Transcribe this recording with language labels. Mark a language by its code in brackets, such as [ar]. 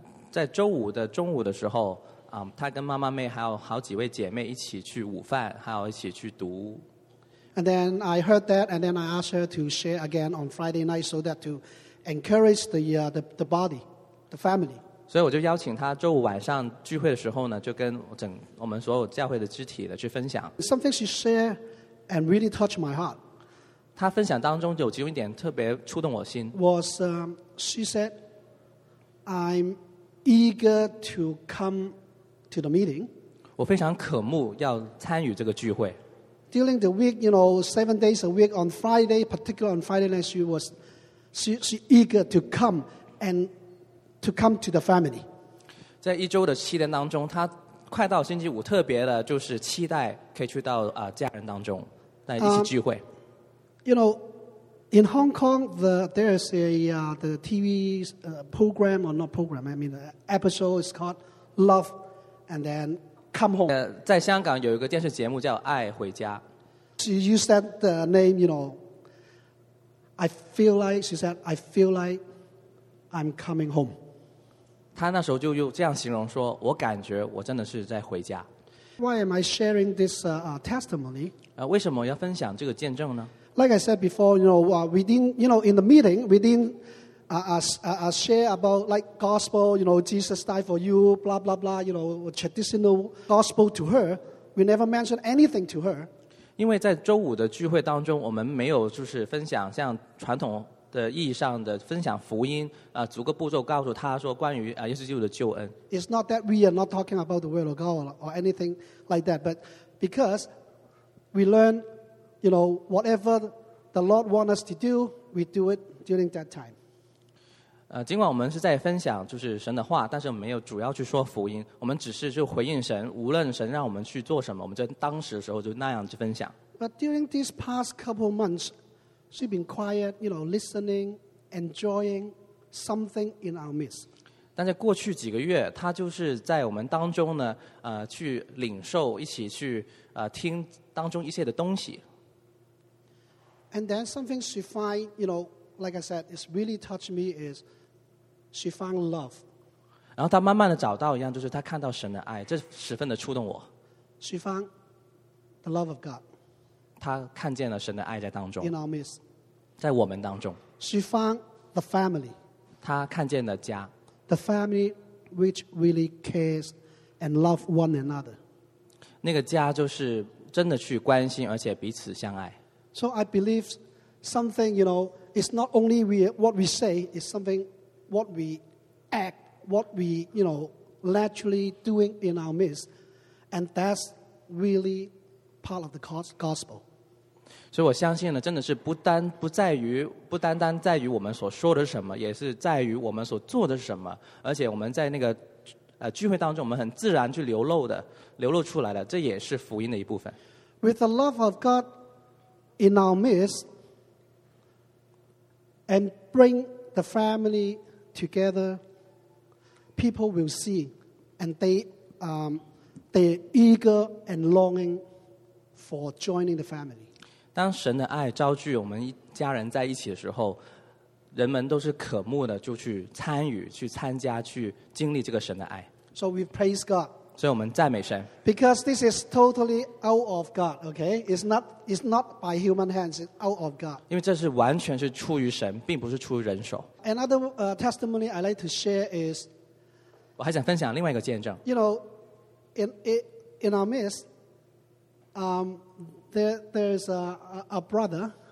[zh] 在周五的中午的时候他跟妈妈妹还有好几位姐妹一起去午饭，还有一起去读。 [en] And then I heard that, and then I asked her to share again on Friday night so that to encourage the body, the family. [zh] 所以我就邀请她周五晚上聚会的时候呢，就跟整我们所有教会的肢体的去分享。 [en] Something she shared and really touched my heart. [zh] 她分享当中有其中一点特别触动我心。 [en] Was she said, I'm eager to come to the meeting. [zh] 我非常渴慕要参与这个聚会。 [en] During the week, you know, 7 days a week on Friday, particularly on Friday night, she was eager to come and to come to the family. [zh] 在一周的七天当中，她快到星期五，特别的就是期待可以去到家人当中，在一起聚会。 [en] You know, in Hong Kong, there is a TV program or not program? I mean, the episode is called Love, and then. Come home. [zh] 在香港有一个电视节目叫《爱回家》。 [en] She used that the name, you know. I feel like she said, "I feel like I'm coming home." [zh] 她那时候就用这样形容说：“我感觉我真的是在回家。” [en] Why am I sharing this testimony? [zh] 为什么要分享这个见证呢 [en] ？Like I said before, you know, within the meeting, we didn't share about like gospel, you know, Jesus died for you, blah blah blah, you know, traditional gospel to her. We never mentioned anything to her. [zh] 因为在周五的聚会当中，我们没有就是分享像传统的意义上的分享福音啊，逐个步骤告诉他说关于耶稣基督的救恩。 [en] It's not that we are not talking about the word of God or anything like that, but because we learn, you know, whatever the Lord wants us to do, we do it during that time. [zh] 尽管我们是在分享就是神的话，但是我们没有主要去说福音，我们只是就回应神，无论神让我们去做什么，我们就当时的时候就那样去分享。 [en] But during these past couple months, she's been quiet, you know, listening, enjoying something in our midst. [zh] 但在过去几个月，她就是在我们当中呢，去领受，一起去听当中一切的东西。 [en] And then something she find, you know. Like I said, it's really touched me. Is she found love? [zh] 然后她慢慢的找到一样，就是她看到神的爱，这十分的触动我。 [en] She found the love of God. [zh] 她看见了神的爱在当中。 [en] In our midst. [zh] 在我们当中。 [en] She found the family. [zh] 她看见了家。 [en] The family which really cares and love one another. [zh] 那个家就是真的去关心，而且彼此相爱。 [en] So I believe something, you know. It's not only what we say, it's something what we act, what we, you know, naturally doing in our midst. And that's really part of the gospel. [zh] 所以我相信呢，真的是不单单在于我们所说的什么，也是在于我们所做的什么。而且我们在那个聚会当中，我们很自然去流露出来的，这也是福音的一部分。 [en] With the love of God in our midst,And bring the family together. People will see, and they're eager and longing for joining the family. [zh] 当神的爱召聚我们一家人在一起的时候，人们都是渴慕的，就去参与、去参加、去经历这个神的爱。 [en] So we praise God. [zh] 所以我们赞美神。 [en] Because this is totally out of God. Okay, it's not by human hands. It's out of God. [zh] 因为这是完全是出于神，并不是出于人手。 [en] Another testimony I like to share is. [zh] 我还想分享另外一个见证。 [en] You know, in our midst, there's a brother.